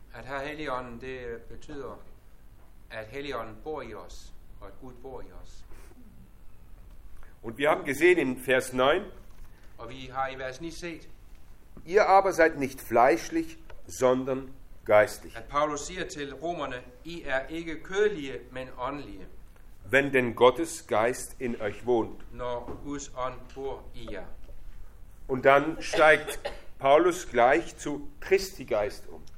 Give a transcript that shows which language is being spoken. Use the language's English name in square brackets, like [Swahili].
[Danish] At Herr Helligånden, det betyder, at Helligånden bor i os, og at Gud bor i os. [German] Und wir haben gesehen in Vers 9, [Danish] og vi har i vers 9 set, [German] ihr aber seid nicht fleischlich, sondern geistlich. [Danish] At Paulus siger til romerne, I er ikke kødelige, men åndelige. [German] Wenn denn Gottes Geist in euch wohnt. [Danish] Når Guds ånd bor i jer. [German] Und dann steigt Paulus gleich zu Christi Geist um.